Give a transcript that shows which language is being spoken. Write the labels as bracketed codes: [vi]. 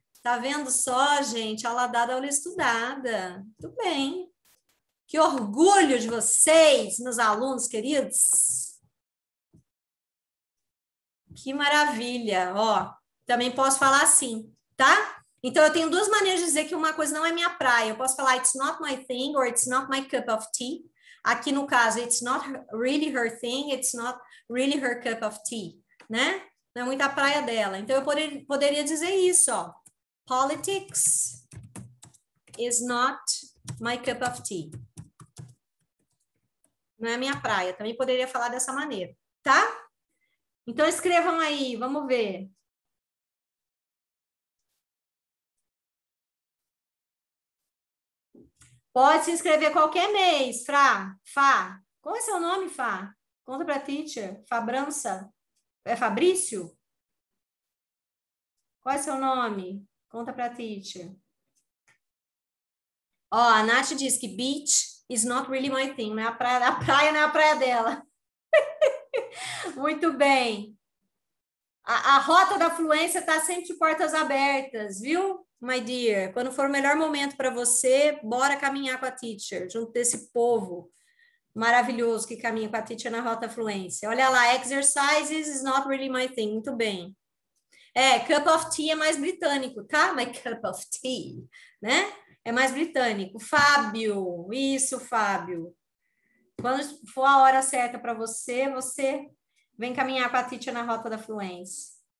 [pt] Tá vendo só, gente? Aula dada, aula estudada. Tudo bem. Que orgulho de vocês, meus alunos queridos. Que maravilha. Ó, também posso falar assim, tá? Então, eu tenho duas maneiras de dizer que uma coisa não é minha praia. Eu posso falar, [en] it's not my thing, or it's not my cup of tea. [pt] Aqui, no caso, [en] it's not really her thing, it's not really her cup of tea, [pt] né? Não é muito a praia dela. Então, eu poderia dizer isso, ó. [en] Politics is not my cup of tea. [pt] Não é minha praia. Também poderia falar dessa maneira, tá? Então, escrevam aí, vamos ver. Pode se inscrever qualquer mês, Fá. Qual é seu nome, Fá? Conta para a teacher. Fabrança? É Fabrício? Qual é seu nome? Conta para a teacher. Ó, a Nath diz que [en] beach is not really my thing. [pt] Não é a praia não é a praia dela. Muito bem. A rota da fluência está sempre de portas abertas, viu, [en] my dear? [pt] Quando for o melhor momento para você, bora caminhar com a teacher, junto desse povo maravilhoso que caminha com a teacher na rota fluência. Olha lá, [en] exercises is not really my thing. [pt] Muito bem. É, [en] cup of tea [pt] é mais britânico, tá? [en] My cup of tea, [pt] né? É mais britânico. Fábio, isso, Fábio. Quando for a hora certa para você, você vem caminhar com a teacher na rota da fluência.